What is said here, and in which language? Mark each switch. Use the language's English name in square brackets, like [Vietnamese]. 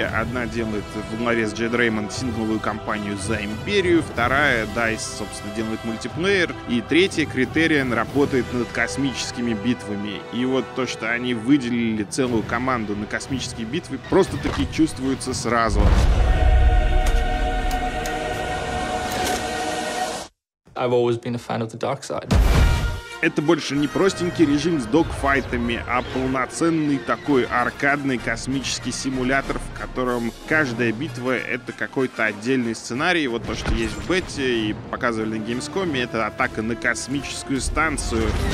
[Russian] Одна делает в главе с Джед Реймонд сингловую кампанию за Империю, вторая, DICE, собственно, делает мультиплеер, и третья, Criterion, работает над космическими битвами. И вот то, что они выделили целую команду на космические битвы, просто-таки чувствуется сразу. [English] I've always been a fan of the dark side. [Russian] Это больше не простенький режим с догфайтами, а полноценный такой аркадный космический симулятор, в котором каждая битва — это какой-то отдельный сценарий. Вот то, что есть в бете и показывали на Gamescom, это атака на космическую станцию.